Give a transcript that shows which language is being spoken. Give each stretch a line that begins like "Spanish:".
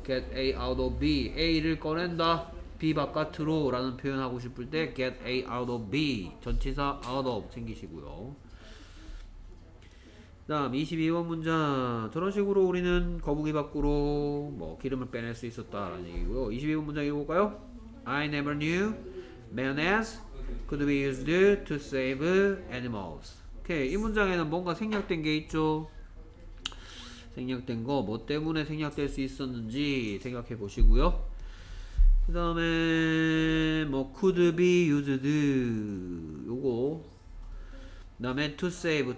English: get A out of B
Korean: A를 꺼낸다 B 바깥으로 라는 표현하고 싶을 때 get A out of B 전치사 out of 챙기시고요. 그 다음 22번 문장 저런 식으로 우리는 거북이 밖으로 뭐 기름을 빼낼 수 있었다 라는 얘기고요. 22번 문장 읽어볼까요?
English: I never knew mayonnaise could be used to save animals.
Korean: 오케이. 이 문장에는 뭔가 생략된 게 있죠. 생략된 거, 뭐 때문에 생략될 수 있었는지 생각해 보시고요. 그 다음에, 뭐,
English: could be used.
Korean: 요거.
English: 그 다음에, to save.